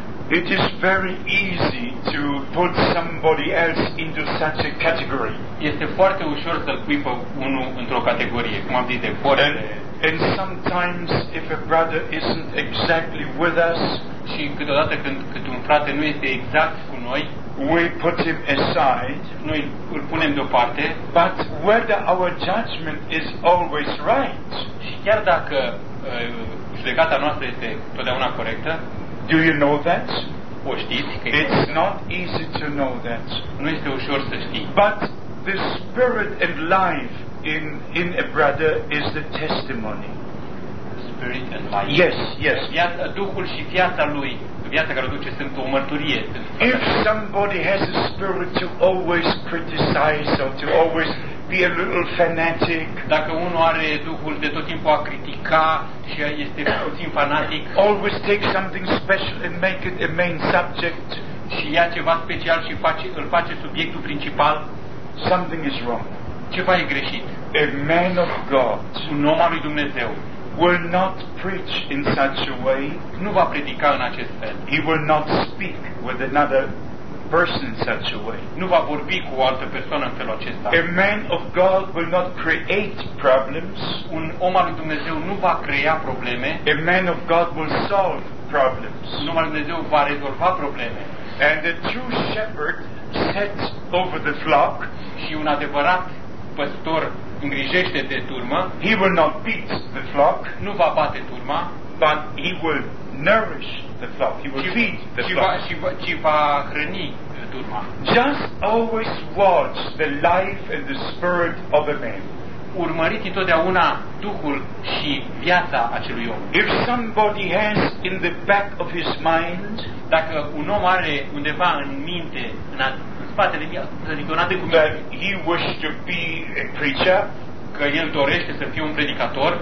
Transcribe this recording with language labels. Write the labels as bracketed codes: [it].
[en] It is very easy to put somebody else into such a category. [ro] Este foarte ușor să-l pui pe unul într-o categorie, cum am zis de Kore. [en] And sometimes if a brother isn't exactly with us, [ro] și câteodată când un frate nu este exact cu noi, [en] we put him aside, [ro] noi îl punem deoparte. [en] But whether our judgment is always right, [ro] și chiar dacă judecata noastră este totdeauna corectă, [en] do you know that? [ro] O știți că [en] it's not easy to know that. [ro] Nu este ușor să știi. [en] But the spirit and life in a brother is the testimony. Spirit and life. Yes, yes. [ro] Duhul și viața lui, viața care o duce, sunt o mărturie. [en] If somebody has a spirit to always criticize or to always be a little fanatic, [ro] dacă unul are duhul de tot timpul a critica și este puțin fanatic, [en] always take something special and make it a main subject, [ro] și ia ceva special și îl face subiectul principal, [en] something is wrong. [ro] Ceva e greșit. [en] A man of God, [ro] un om al lui Dumnezeu, [en] will not preach in such a way. [ro] Nu va predica în acest fel. [en] He will not speak with another person in such a way. [ro] Nu va vorbi cu o altă persoană în felul acesta. [en] A man of God will not create problems. [ro] Un om al lui Dumnezeu nu va crea probleme. [en] A man of God will solve problems. [ro] Un om al lui Dumnezeu va rezolva probleme. [en] And a true shepherd sets over the flock. [ro] Și un adevărat păstor îngrijește de turmă. [en] He will not beat the flock. [ro] Nu va bate turma. [en] But he will nourish the flock. He will feed the flock. [ro] Ci va hrăni turma. [en] Just always watch the life and the spirit of a man. [ro] Urmăriți întotdeauna duhul și viața acelui om. [en] If somebody has in the back of his mind, [ro] dacă un om are undeva în minte, spatele ridicate cu [en] mine, he wished to be a preacher, [ro] că el dorește să fie un predicator,